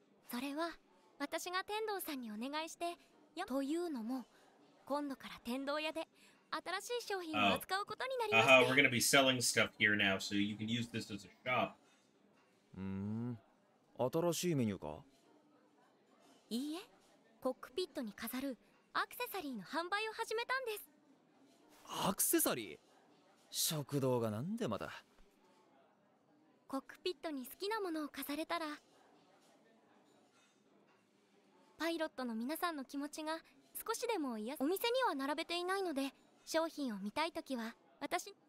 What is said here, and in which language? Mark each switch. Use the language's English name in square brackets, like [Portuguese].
[Japanese] それは私が天童さんにお願いして、よっ。というのも、今度から天童屋で新しい商品を扱うことになりました。 [English] We're gonna be selling stuff here now, so you can use this as a shop. [Japanese] 新しいメニューか？いいえ、コックピットに飾るアクセサリーの販売を始めたんです。アクセサリー？食堂がなんでまだコックピットに好きなものを飾れたらパイロットの皆さんの気持ちが少しでも癒やお店には並べていないので商品を見たいときは私